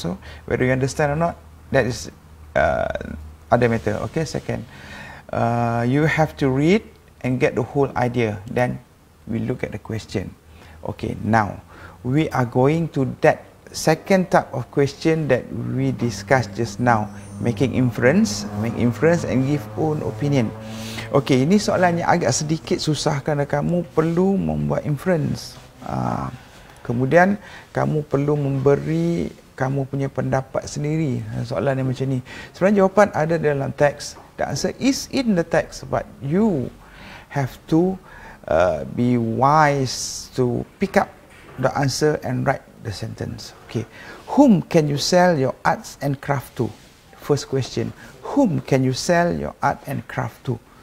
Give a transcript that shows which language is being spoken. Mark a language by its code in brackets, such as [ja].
[en] So, whether you understand or not, that is other matter. Okay, second. You have to read and get the whole idea. Then we look at the question. Okay, now we are going to that second type of question that we discussed just now. Make inference and give own opinion. [ms] Okay, ini soalannya agak sedikit susah kerana kamu perlu membuat inference. Kemudian kamu perlu memberi kamu punya pendapat sendiri. Soalan yang macam ni. Sebenarnya jawapan ada dalam teks. [en] The answer is in the text. But you have to be wise to pick up the answer and write the sentence. Okay, whom can you sell your arts and craft to? First question, whom can you sell your art and craft to?